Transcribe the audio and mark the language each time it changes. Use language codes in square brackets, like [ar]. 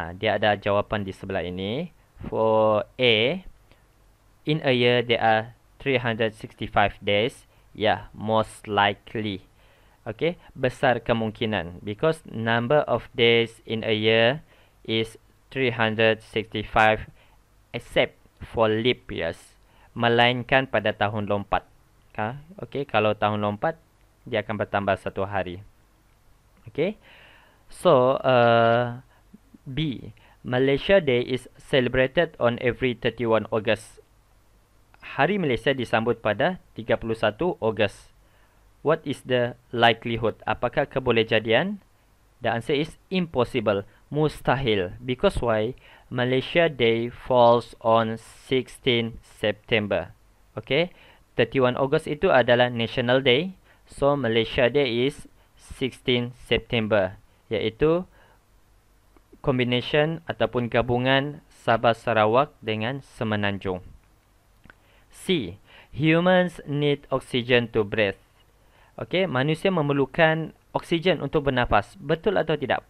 [ms] Dia ada jawapan di sebelah ini. [en] For A, in a year, there are 365 days. Yeah, most likely. Okay, [ms] besar kemungkinan. [en] Because number of days in a year is 365 except for leap years. [ms] Melainkan pada tahun lompat. Okay, kalau tahun lompat, dia akan bertambah satu hari. [en] Okay, so B. Malaysia Day is celebrated on every 31 August. [ms] Hari Malaysia disambut pada 31 Ogos. [en] What is the likelihood? [ms] Apakah kebolehjadian? [en] The answer is impossible. Mustahil. Because why? Malaysia Day falls on 16 September. [ms] Okay, 31 Ogos itu adalah National Day. [en] So, Malaysia Day is 16 September. [ms] Iaitu combination ataupun gabungan Sabah Sarawak dengan Semenanjung. C. [en] Humans need oxygen to breathe. [ms] Okay, manusia memerlukan oksigen untuk bernafas. Betul atau tidak?